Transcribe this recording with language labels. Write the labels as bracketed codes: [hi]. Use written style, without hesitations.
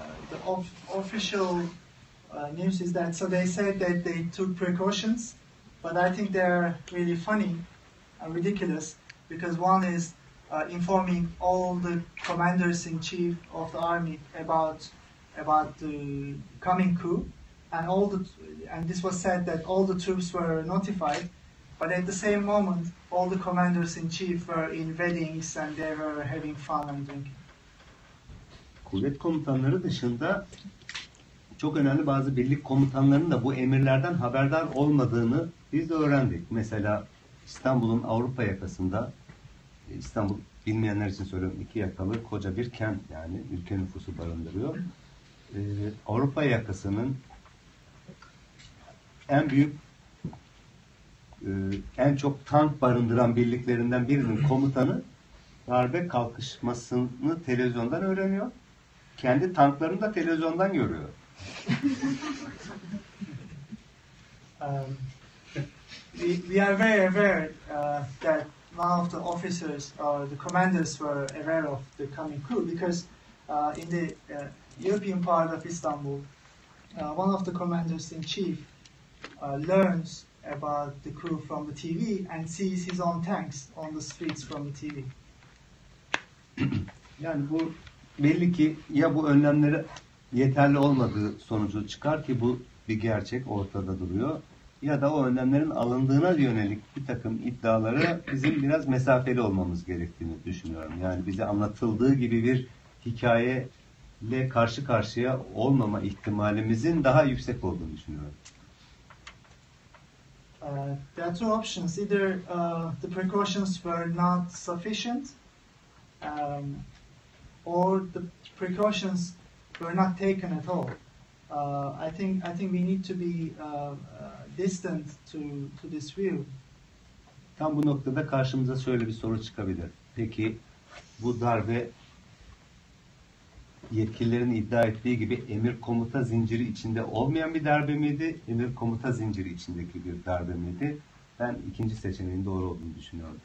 [en] The official news is that so they said that they took precautions, but I think they're really funny and ridiculous because one is informing all the commanders in chief of the army about the coming coup, and all the and this was said that all the troops were notified, but at the same moment all the commanders in chief were in weddings and they were having fun and drinking. [tr] Kuvvet komutanları dışında çok önemli bazı birlik komutanlarının da bu emirlerden haberdar olmadığını biz de öğrendik. Mesela İstanbul'un Avrupa yakasında, İstanbul bilmeyenler için söylüyorum, iki yakalı koca bir kent yani ülke nüfusu barındırıyor. Avrupa yakasının en büyük, en çok tank barındıran birliklerinden birinin komutanı darbe kalkışmasını televizyondan öğreniyor. Kendi tanklarını da televizyondan görüyor. [en] We are very aware that none of the officers or the commanders were aware of the coming coup because in the European part of Istanbul, one of the commanders in chief learns about the coup from the TV and sees his own tanks on the streets from the TV. [tr] Yani bu belli ki ya bu önlemleri yeterli olmadığı sonucu çıkar ki bu bir gerçek ortada duruyor. Ya da o önlemlerin alındığına yönelik bir takım iddiaları bizim biraz mesafeli olmamız gerektiğini düşünüyorum. Yani bize anlatıldığı gibi bir hikayeyle karşı karşıya olmama ihtimalimizin daha yüksek olduğunu düşünüyorum. [en] There are two options. Either the precautions were not sufficient, or the precautions were not taken at all. I think we need to be distant to this view. [tr] Tam bu noktada karşımıza şöyle bir soru çıkabilir. Peki bu darbe yetkililerin iddia ettiği gibi emir komuta zinciri içinde olmayan bir darbe miydi? Emir komuta zinciri içindeki bir darbe miydi? Ben ikinci seçeneğin doğru olduğunu düşünüyorum.